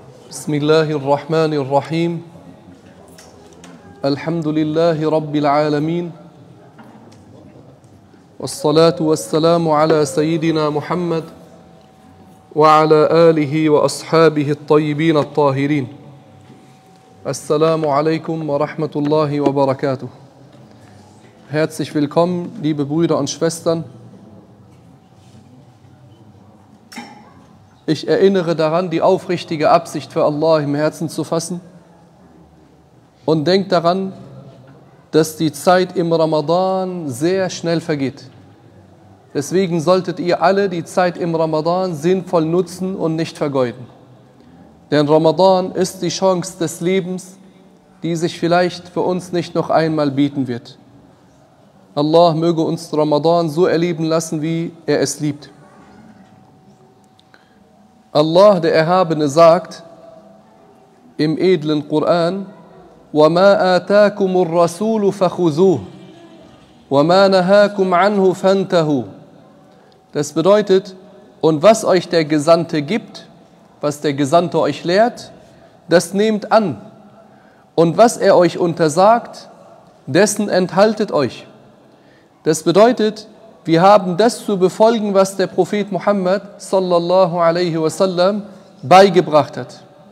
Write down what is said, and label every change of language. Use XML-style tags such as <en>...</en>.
<ar>بسم الله الرحمن الرحيم الحمد لله رب العالمين والصلاة والسلام على سيدنا محمد وعلى آله وأصحابه الطيبين الطاهرين السلام عليكم ورحمة الله وبركاته.</ar> <de>Herzlich willkommen, liebe Brüder und Schwestern. Ich erinnere daran, die aufrichtige Absicht für Allah im Herzen zu fassen und denke daran, dass die Zeit im Ramadan sehr schnell vergeht. Deswegen solltet ihr alle die Zeit im Ramadan sinnvoll nutzen und nicht vergeuden. Denn Ramadan ist die Chance des Lebens, die sich vielleicht für uns nicht noch einmal bieten wird. Allah möge uns Ramadan so erleben lassen, wie er es liebt. Allah, der Erhabene, sagt im edlen Koran:</de> <ar>وَمَا آتَاكُمُ الرَّسُولُ فَخُذُوهُ وَمَا نَهَاكُمْ عَنْهُ فَانْتَهُوا.</ar> <de>Das bedeutet: Und was euch der Gesandte gibt, was der Gesandte euch lehrt, das nehmt an. Und was er euch untersagt, dessen enthaltet euch. Das bedeutet, wir haben das zu befolgen, was der Prophet Muhammad sallallahu alaihi wasallam beigebracht hat.</de>